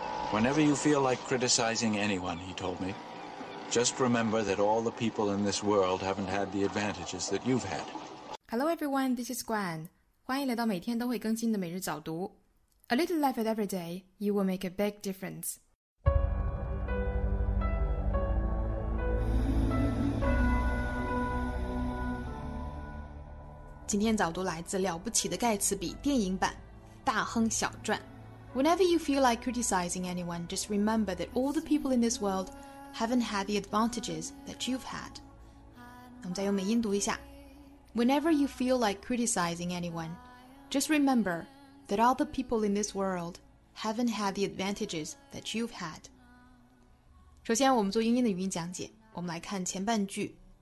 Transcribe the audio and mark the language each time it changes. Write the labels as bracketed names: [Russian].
[English] Whenever you feel like criticizing anyone, he told me, just remember that all the people in this world haven't had the advantages that you've had. Hello everyone, this is Gwen. [Chinese] 欢迎来到每天都会更新的每日早读。 [English] A little effort every day, you will make a big difference. Whenever you feel like criticizing anyone, just remember that all the people in this world haven't had the advantages that you've had. [Chinese] 我们再用美音读一下。 [English] Whenever you feel like criticizing anyone, just remember that all the people in this world haven't had the advantages that you've had. [Chinese] 首先我们做英音的语音讲解，我们来看前半句。